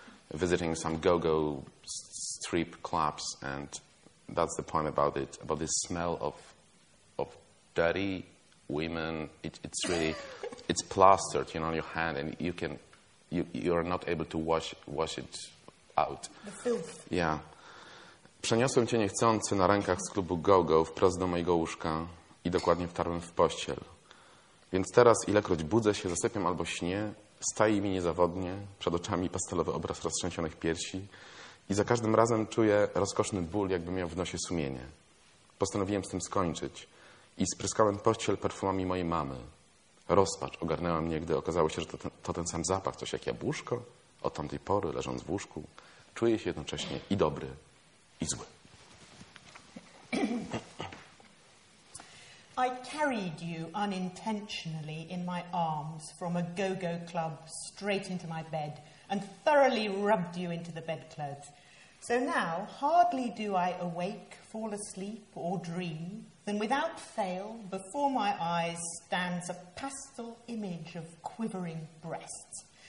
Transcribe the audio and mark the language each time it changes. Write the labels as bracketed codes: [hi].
[en] visiting some go-go strip clubs, and that's the point about it, about this smell of dirty women. It's really, it's plastered, you know, on your hand, and you can, you're not able to wash it out. Yeah. [pl] Przeniosłem cię niechcący na rękach z klubu go-go wprost do mojego łóżka i dokładnie wtarłem w pościel. Więc teraz, ilekroć budzę się, zasypiam albo śnię, staje mi niezawodnie, przed oczami pastelowy obraz roztrzęsionych piersi i za każdym razem czuję rozkoszny ból, jakbym miał w nosie sumienie. Postanowiłem z tym skończyć i spryskałem pościel perfumami mojej mamy. Rozpacz ogarnęła mnie, gdy okazało się, że to ten sam zapach, coś jak jabłuszko. Od tamtej pory, leżąc w łóżku, czuję się jednocześnie i dobry, i zły. [en] I carried you unintentionally in my arms from a go-go club straight into my bed and thoroughly rubbed you into the bedclothes. So now hardly do I awake, fall asleep or dream than without fail before my eyes stands a pastel image of quivering breasts.